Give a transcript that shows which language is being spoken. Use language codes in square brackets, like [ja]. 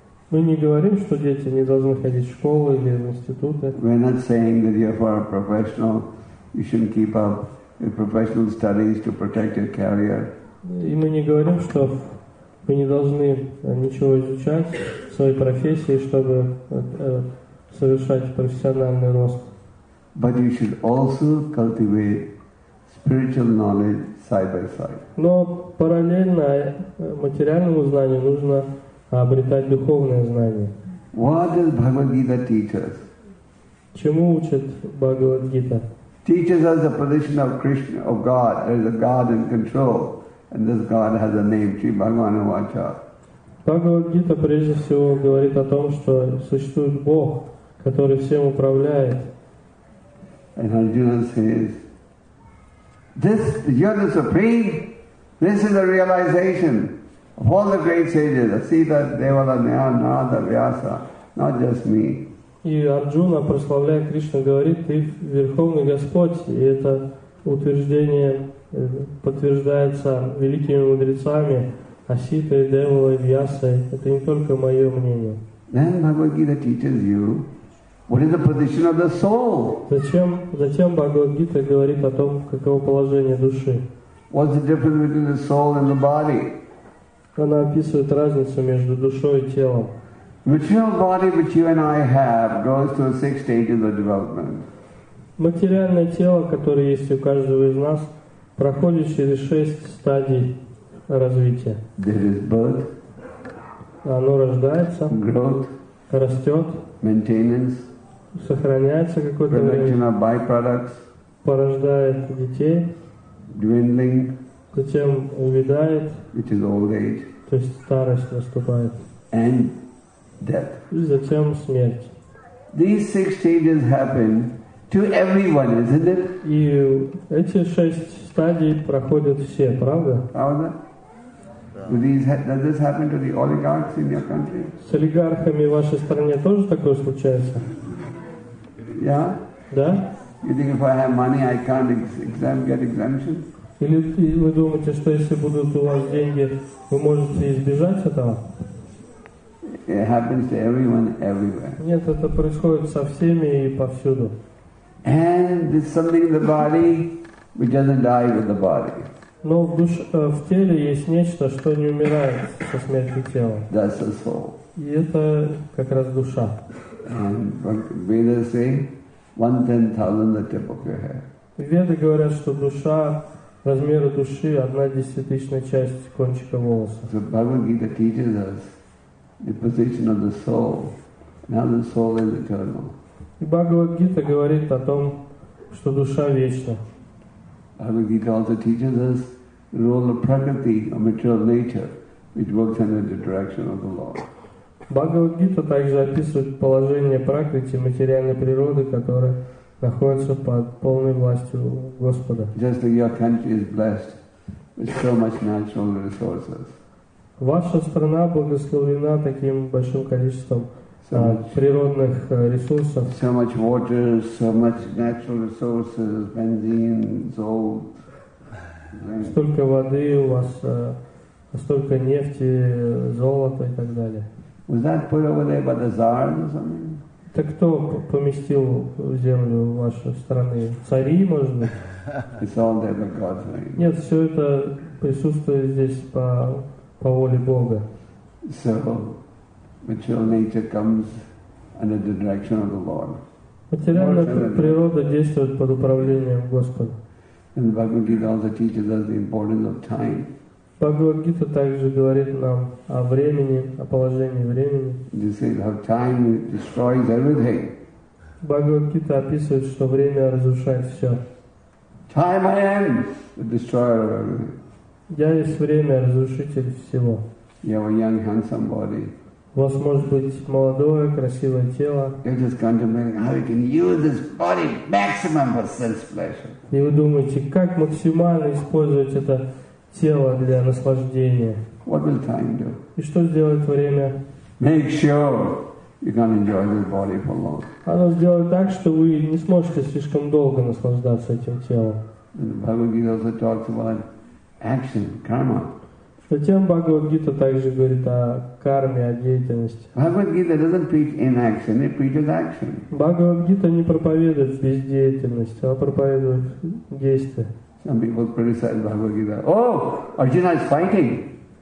[ru] Мы не говорим, что дети не должны ходить в школу или в институты. [en] We're not saying that you're for a professional, you shouldn't keep up your professional studies to protect your career. [ru] И мы не говорим, что вы не должны ничего изучать в своей профессии, чтобы совершать профессиональный рост. [en] But you should also cultivate spiritual knowledge side by side. [ru] Но параллельно материальному знанию нужно обретать духовное знание. [en] What does Bhagavad Gita teach us? [ru] Чему учит Бхагавад Гита? [en] Teaches us the position of Krishna, of God. There is a God in control, and this God has a name, Sri Bhagavan Uvacha. [ru] Бхагавад Гита прежде всего говорит о том, что существует Бог, который всем управляет. [en] And Arjuna says, "This, you're the supreme. This is the realization of all the great sages. See that Devala, Narada, Vyasa, not just me." [ru] И Арджуна, прославляя Кришну, говорит: "Ты верховный Господь, и это утверждение подтверждается великими мудрецами Аситой, Девалой, Вьясой. Это не только мое мнение." [en] Then Bhagavad Gita teaches you what is the position of the soul. [ru] Затем Бхагавад Гита говорит о том, каково положение души. [en] What's the difference between the soul and the body? [ru] Она описывает разницу между душой и телом. [en] Material body which you and I have goes through six stages of development. [ru] Материальное тело, которое есть у каждого из нас, проходит через шесть стадий развития. [en] There is birth. [ru] Оно рождается. [en] Growth. [ru] Растет. [en] Maintenance. [ru] Сохраняется какое-то время. [en] Production of byproducts. [ru] Порождает детей. [en] Dwindling. [ru] Затем увядает. [en] Which is old age. [ru] То есть старость наступает. [en] And death. [ru] Затем смерть. [en] These six stages happen to everyone, isn't it? [ru] И эти шесть стадий проходят все, правда? Правда? [en] Does this happen to the oligarchs in your country? [ru] С олигархами в вашей стране тоже такое случается? [en] Yeah? [ru] Да? [en] You think if I have money, I can't get exemption? [ru] Или вы думаете, что если будут у вас деньги, вы можете избежать этого? [en] It happens to everyone, everywhere. [ru] Нет, это происходит со всеми и повсюду. [en] And there's something in the body which doesn't die with the body. [ru] Но в теле есть нечто, что не умирает со смертью тела. [en] That's the soul. [ru] И это как раз душа. [en] Vedas say 1/10,000 the tip of your hair. [ru] Веды говорят, что душа размера души 1/10 часть кончика волоса. [en] So Bhagavad Gita teaches us the position of the soul, now the soul is eternal. [ru] Bhagavad Gita говорит о том, что душа вечна. [en] Bhagavad Gita also teaches us the role of prakriti, or material nature, which works under the direction of the Lord. [ru] Bhagavad Gita также описывает положение прокрити, материальной природы, которая находится под полной властью Господа. [en] Just like your country is blessed with so much natural resources. [ru] Ваша страна благословлена таким большим количеством природных ресурсов. [en] So much water, so much natural resources, benzene, salt. [ru] Столько воды у вас, столько нефти, золота и так далее. [en] Was that put over there by the Tsar or something? [ru] Это кто поместил в землю вашей страны? Цари, может быть? [en] It's all there by God's name. [ru] Нет, все это присутствует здесь по воле Бога. [en] So, material nature comes under the direction of the Lord. [ru] Материальная природа действует под управлением Господа. [en] And Bhagavad Gita also teaches us the importance of time. [ru] Bhagavad Gita также говорит нам о времени, о положении времени. [en] They say how time destroys everything. [ru] Bhagavad Gita описывает, что время разрушает все. [en] Time I am, the destroyer of everything. [ru] Я есть время, разрушитель всего. [en] You have a young, handsome body. [ru] У вас может быть молодое, красивое тело. [en] You're just contemplating how you can use this body maximum for sense pleasure. [ru] И вы думаете, как максимально использовать это тело для наслаждения. [en] What will time do? [ru] И что сделает время? [en] Make sure you can enjoy this body for long. [ru] Оно сделает так, что вы не сможете слишком долго наслаждаться этим телом. [en] And Bhagavad Gita also talks about action, karma. [ru] Затем Бхагавад Гита также говорит о карме, о деятельности. [en] Bhagavad Gita doesn't preach inaction, it preaches action. [ru] Бхагавад Гита не проповедует бездеятельность, а проповедует действие. [en] Some people criticize Bhagavad Gita. Oh, Arjuna is fighting.